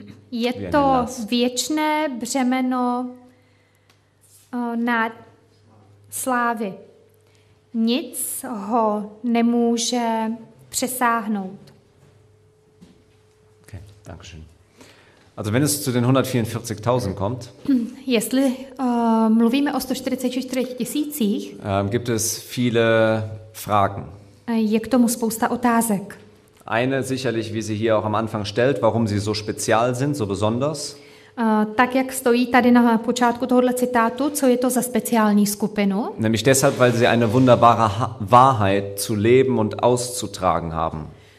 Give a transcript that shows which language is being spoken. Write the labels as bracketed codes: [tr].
[cs] Je to věčné břemeno na slávy. Nic ho nemůže přesáhnout. [de] Okay, danke schön. Also wenn es zu den 144.000 kommt, [cs] jestli mluvíme o 144 tisících, [de] gibt es viele Fragen. [cs] Je k tomu spousta otázek. [de] Eine sicherlich, wie sie hier auch am Anfang stellt, warum sie so speziell sind, so besonders. [cs] Tak jak stojí tady na počátku tohohle citátu, co je to za speciální skupinu? [de] Nämlich deshalb, weil sie eine wunderbare Wahrheit zu leben und auszutragen haben.